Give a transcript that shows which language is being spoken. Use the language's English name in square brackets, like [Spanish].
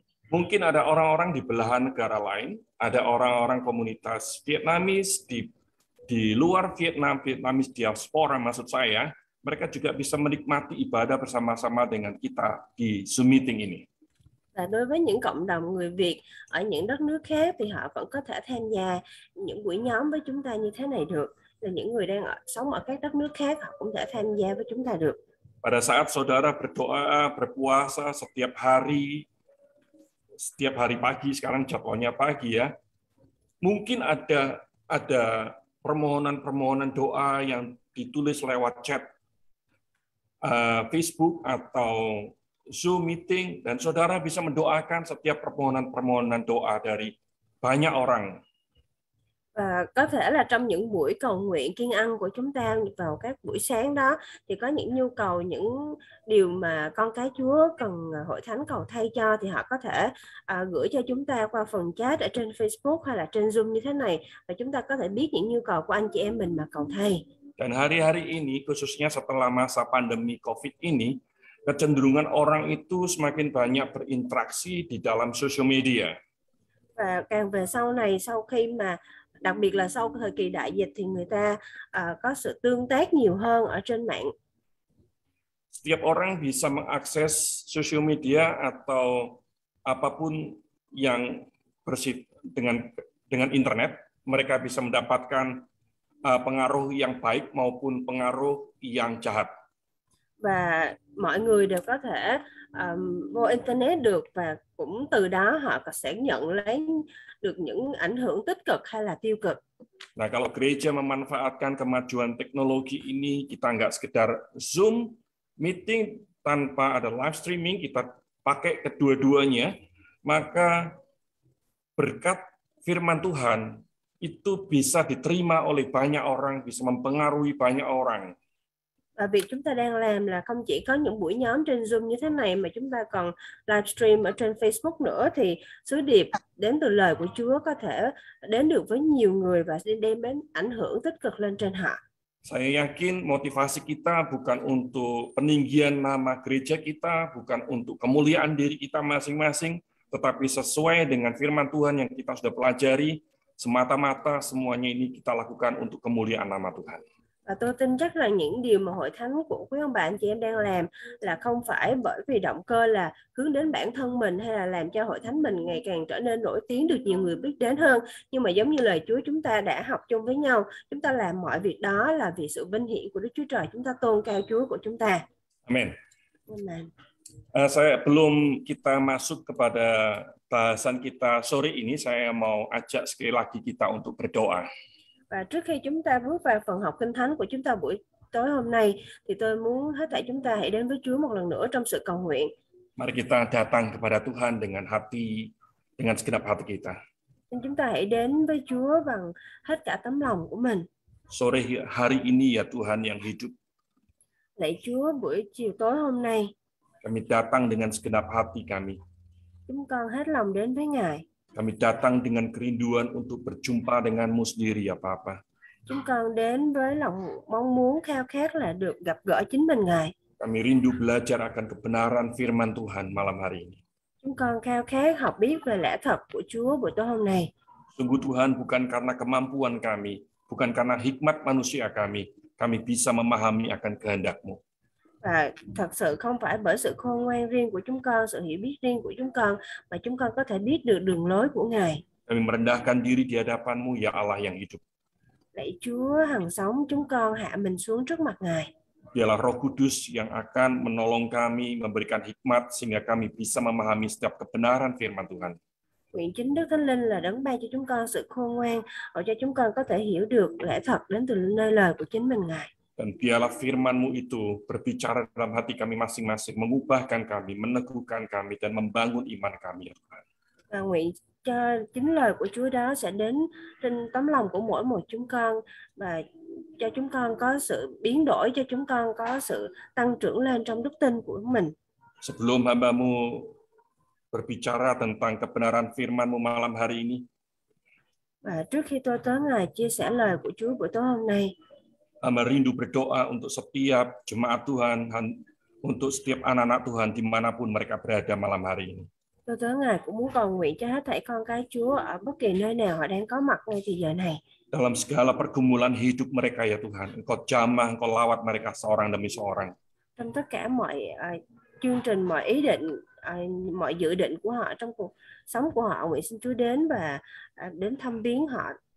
[Indonesian] Mungkin ada orang-orang di belahan negara lain, ada orang-orang komunitas Vietnamese di luar Vietnam, Vietnamese diaspora maksud saya, mereka juga bisa menikmati ibadah bersama-sama dengan kita di Zoom meeting ini. [Vietnamese] Và đối với những cộng đồng người Việt ở những đất nước khác thì họ vẫn có thể tham gia những buổi nhóm với chúng ta như thế này được. Là những người đang sống ở các đất nước khác họ cũng đã tham gia với chúng ta được. [Indonesian] Pada saat saudara berdoa, berpuasa setiap hari pagi, sekarang jadwalnya pagi ya, mungkin ada permohonan-permohonan doa yang ditulis lewat chat Facebook atau Zoom meeting dan saudara bisa mendoakan setiap permohonan-permohonan doa dari banyak orang. [Vietnamese] Và có thể là trong những buổi cầu nguyện kiêng ăn của chúng ta vào các buổi sáng đó thì có những nhu cầu, những điều mà con cái Chúa cần Hội Thánh cầu thay cho thì họ có thể gửi cho chúng ta qua phần chat ở trên Facebook hay là trên Zoom như thế này và chúng ta có thể biết những nhu cầu của anh chị em mình mà cầu thay. [Indonesian] Dan hari-hari ini khususnya setelah masa pandemi COVID ini kecenderungan orang itu semakin banyak berinteraksi di dalam social media. [Vietnamese] Và càng về sau này, sau khi mà đặc biệt là sau thời kỳ đại dịch thì người ta có sự tương tác nhiều hơn ở trên mạng. [Indonesian] Setiap orang bisa mengakses social media atau apapun yang bersifat dengan internet, mereka bisa mendapatkan pengaruh yang baik maupun pengaruh yang jahat. [Vietnamese] Và mọi người đều có thể vô internet được và cũng từ đó họ sẽ nhận lấy được những ảnh hưởng tích cực hay là tiêu cực. [Indonesian] Nah, kalau gereja memanfaatkan kemajuan teknologi ini, kita nggak sekedar Zoom meeting tanpa ada live streaming, kita pakai kedua-duanya, maka berkat firman Tuhan itu bisa diterima oleh banyak orang, bisa mempengaruhi banyak orang. [Vietnamese] Và việc chúng ta đang làm là không chỉ có những buổi nhóm trên Zoom như thế này mà chúng ta còn live stream ở trên Facebook nữa thì sứ điệp đến từ lời của Chúa có thể đến được với nhiều người và đem đến ảnh hưởng tích cực lên trên họ. [Indonesian] Saya yakin motivasi kita bukan untuk peninggian nama gereja kita, bukan untuk kemuliaan diri kita masing-masing, tetapi sesuai dengan firman Tuhan yang kita sudah pelajari, semata-mata semuanya ini kita lakukan untuk kemuliaan nama Tuhan. [Vietnamese] Và tôi tin chắc rằng những điều mà Hội Thánh của quý ông bà anh chị em đang làm là không phải bởi vì động cơ là hướng đến bản thân mình hay là làm cho Hội Thánh mình ngày càng trở nên nổi tiếng, được nhiều người biết đến hơn. Nhưng mà giống như lời Chúa chúng ta đã học chung với nhau, chúng ta làm mọi việc đó là vì sự vinh hiển của Đức Chúa Trời, chúng ta tôn cao Chúa của chúng ta. [Indonesian] Amen. Amen. Saya belum kita masuk kepada bahasan kita sore ini, saya mau ajak sekali lagi kita untuk berdoa. [Vietnamese] Và trước khi chúng ta bước vào phần học kinh thánh của chúng ta buổi tối hôm nay, thì tôi muốn hết thảy chúng ta hãy đến với Chúa một lần nữa trong sự cầu nguyện. [Indonesian] Mari kita datang kepada Tuhan dengan segenap hati kita. [Vietnamese] Xin chúng ta hãy đến với Chúa bằng hết cả tấm lòng của mình. [Indonesian] Sore hari ini ya Tuhan yang hidup. [Vietnamese] Lạy Chúa buổi chiều tối hôm nay. [Indonesian] Kami datang dengan segenap hati kami. [Vietnamese] Chúng con hết lòng đến với Ngài. [Indonesian] Kami datang dengan kerinduan untuk berjumpa denganmu sendiri ya Bapa. [Vietnamese] Chúng con đến với lòng mong muốn khao khát là được gặp gỡ chính mình Ngài. [Indonesian] Kami rindu belajar akan kebenaran firman Tuhan malam hari ini. [Vietnamese] Chúng con khao khát học biết về lẽ thật của Chúa buổi tối hôm nay. [Indonesian] Sungguh Tuhan bukan karena kemampuan kami, bukan karena hikmat manusia kami, kami bisa memahami akan kehendak-Mu. [Vietnamese] Và thật sự không phải bởi sự khôn ngoan riêng của chúng con, sự hiểu biết riêng của chúng con, mà chúng con có thể biết được đường lối của Ngài. [Indonesian] Kami merendahkan diri di hadapan-Mu, ya Allah yang hidup. [Vietnamese] Lạy Chúa hằng sống, chúng con hạ mình xuống trước mặt Ngài. [Indonesian] Biarlah Roh Kudus yang akan menolong kami, memberikan hikmat, sehingga kami bisa memahami setiap kebenaran firman Tuhan. [Vietnamese] Nguyện chính Đức Thánh Linh là đấng ban cho chúng con sự khôn ngoan, hầu cho chúng con có thể hiểu được lẽ thật đến từ nơi lời của chính mình Ngài. [Indonesian] Dan biarlah firman-Mu itu berbicara dalam hati kami masing-masing, mengubahkan kami, meneguhkan kami, dan membangun iman kami. [Vietnamese] Và nguyện cho chính lời của Chúa đó sẽ đến trên tấm lòng của mỗi một chúng con và cho chúng con có sự biến đổi, cho chúng con có sự tăng trưởng lên trong đức tin của mình. [Indonesian] Sebelum hamba-Mu berbicara tentang kebenaran firman-Mu malam hari ini. [Vietnamese] Và trước khi tôi tới Ngài chia sẻ lời của Chúa buổi tối hôm nay, [Indonesian] hamba rindu berdoa untuk setiap jemaat Tuhan, untuk setiap anak-anak Tuhan dimanapun mereka berada malam hari ini. [Vietnamese] Tôi tới Ngài cũng muốn cầu nguyện cho hết thảy con cái Chúa ở bất kỳ nơi nào họ đang có mặt ngay thời giờ này. [Indonesian] Dalam segala pergumulan hidup mereka ya Tuhan, Engkau jamah, Engkau lawat mereka seorang demi seorang. [Vietnamese] Trong tất cả mọi chương trình, mọi ý định, mọi dự định của họ trong cuộc sống của họ, nguyện xin Chúa đến và đến thăm viếng họ.